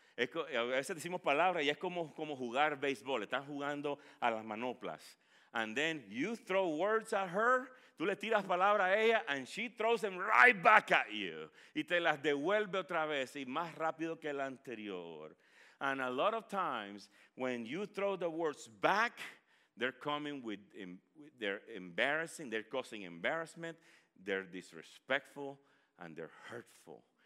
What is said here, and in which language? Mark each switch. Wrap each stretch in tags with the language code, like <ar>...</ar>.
<es>A veces decimos palabras y es como jugar baseball. Están jugando a las manoplas.</es> <en>And then you throw words at her.</en> <es>Tú le tiras palabras a ella</es> <en>and she throws them right back at you.</en> <es>Y te las devuelve otra vez y más rápido que la anterior.</es> <en>And a lot of times when you throw the words back, they're coming they're embarrassing, they're causing embarrassment, they're disrespectful, and they're hurtful.</en>